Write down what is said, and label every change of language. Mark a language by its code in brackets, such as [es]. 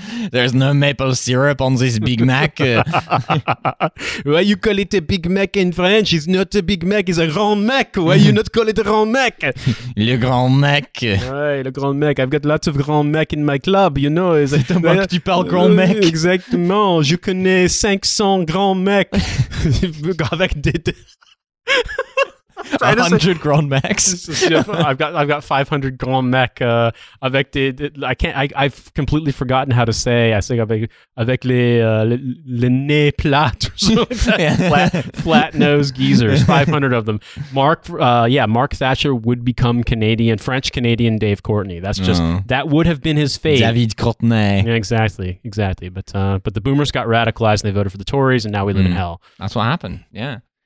[en] There's no maple syrup on this Big Mac. Why you call it a Big Mac in French? It's not a Big Mac, it's a Grand Mac. Why you not call it a Grand Mac? [fr] Le Grand Mac. Ouais, le Grand Mac. [en] I've got lots of Grand Mac in my club, you know. [fr] C'est un mec, tu parles Grand Mac. Exactement. Je connais 500 Grand Mac. Avec des... [en] 100 Grand Macs. I've got 500 Grand Mac [fr] avec des. [en] I've completely forgotten how to say. I think [fr] avec les nez plats [en] or something. Yeah. flat nose geezers. 500 of them. Mark Thatcher would become Canadian, French Canadian Dave Courtney. That's just that would have been his fate. David Courtney. Yeah, exactly. But the boomers got radicalized and they voted for the Tories and now we live in hell. That's what happened. Yeah.